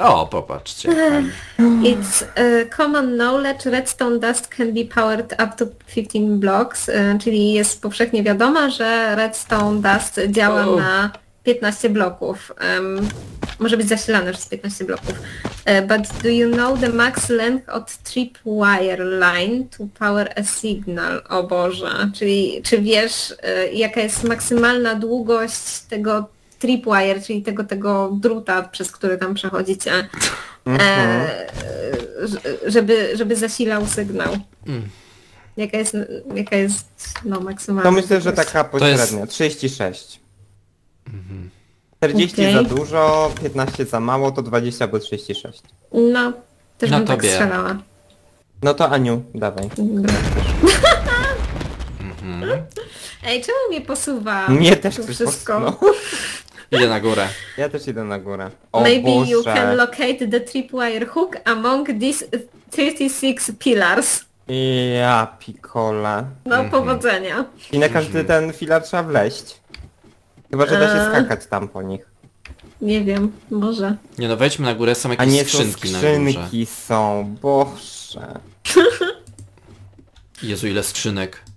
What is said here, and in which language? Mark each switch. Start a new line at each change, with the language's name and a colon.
Polish: O, popatrzcie.
English: It's common knowledge, redstone dust can be powered up to 15 blocks,
Polish: czyli jest powszechnie wiadomo, że redstone dust działa na 15 bloków. Może być zasilane przez 15 bloków.
English: But do you know the max length of trip wire line to power a signal?
Polish: O Boże. Czyli czy wiesz, jaka jest maksymalna długość tego tripwire, czyli tego druta, przez który tam przechodzicie, żeby zasilał sygnał. Jaka jest no, maksymalna? To myślę, że taka pośrednia, 36. 40 okay. Za dużo, 15 za mało, to 20 albo 36. No, też no bym tobie. Tak strzelała. No to Aniu, dawaj. Ej, czemu mnie posuwa? Mnie też to wszystko. Idę na górę. Ja też idę na górę. O Maybe Boże.
English: You can locate the tripwire hook among these 36 pillars.
Polish: Ja pikola. No powodzenia. I na każdy ten filar trzeba wleźć. Chyba, że da się skakać tam po nich. Nie wiem, może. Nie no, wejdźmy na górę, są jakieś skrzynki, skrzynki na górze. Skrzynki są, Boże. Jezu, ile skrzynek.